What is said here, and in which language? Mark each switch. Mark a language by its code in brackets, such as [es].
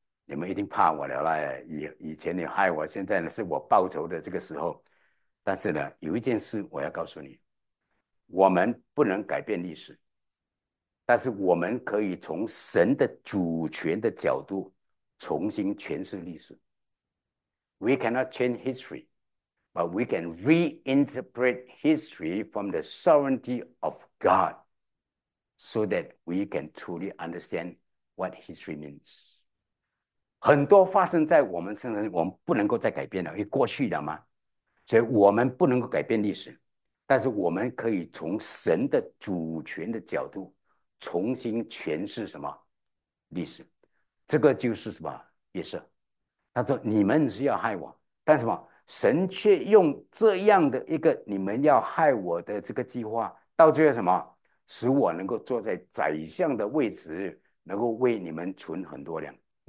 [zh] 你们一定怕我了啦！以前你害我，现在呢是我报仇的这个时候。但是呢，有一件事我要告诉你：我们不能改变历史，但是我们可以从神的主权的角度重新诠释历史。 [en] We cannot change history, but we can reinterpret history from the sovereignty of God, so that we can truly understand what history means. [zh] 很多发生在我们身上，我们不能够再改变了，因为过去了嘛。所以，我们不能够改变历史，但是我们可以从神的主权的角度重新诠释什么历史。这个就是什么约瑟，他说：“你们是要害我，但什么神却用这样的一个你们要害我的这个计划，到最后什么使我能够坐在宰相的位置，能够为你们存很多粮。”